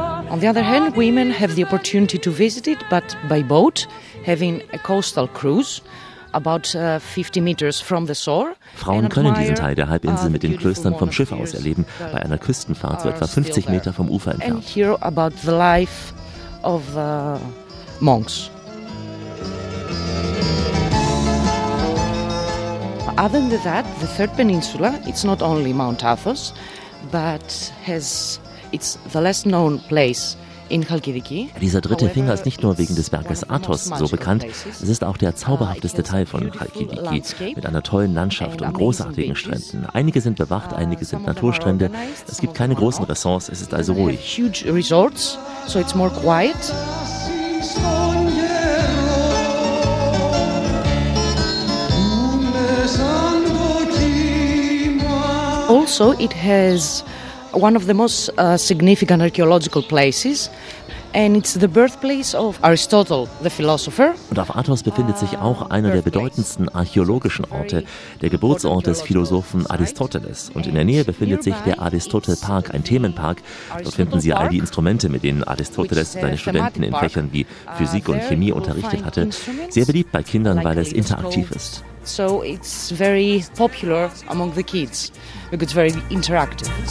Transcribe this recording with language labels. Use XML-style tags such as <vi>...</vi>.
<en>On the other hand, women have the opportunity to visit it, but by boat, having a coastal cruise. About 50 meters from the shore.</en> <de>Frauen können diesen Teil der Halbinsel mit den Klöstern vom Schiff aus erleben, bei einer Küstenfahrt so etwa 50 Meter vom Ufer entfernt.</de> <en>And hear about the life of monks. Other than that, the third peninsula, it's not only Mount Athos, but has it's the less known place in Chalkidiki.</en> <de>Dieser dritte Finger ist nicht nur wegen des Berges Athos so bekannt, es ist auch der zauberhafteste Teil von Chalkidiki, mit einer tollen Landschaft und großartigen Stränden. Einige sind bewacht, einige sind Naturstrände, es gibt keine großen Ressorts, es ist also ruhig.</de> <en>Huge resorts, so it's more quiet. Also, it has one of the most significant archaeological places, and it's the birthplace of Aristotle, the philosopher.</en> <de>Und auf Athos befindet sich auch einer der bedeutendsten archäologischen Orte, der Geburtsort des Philosophen Aristoteles. Und in der Nähe befindet sich der Aristotle Park, ein Themenpark. Dort finden Sie all die Instrumente, mit denen Aristoteles seine Studenten in Fächern wie Physik und Chemie unterrichtet hatte. Sehr beliebt bei Kindern, weil es interaktiv ist.</de> <en>So it's very popular among the kids because it's very interactive.</en>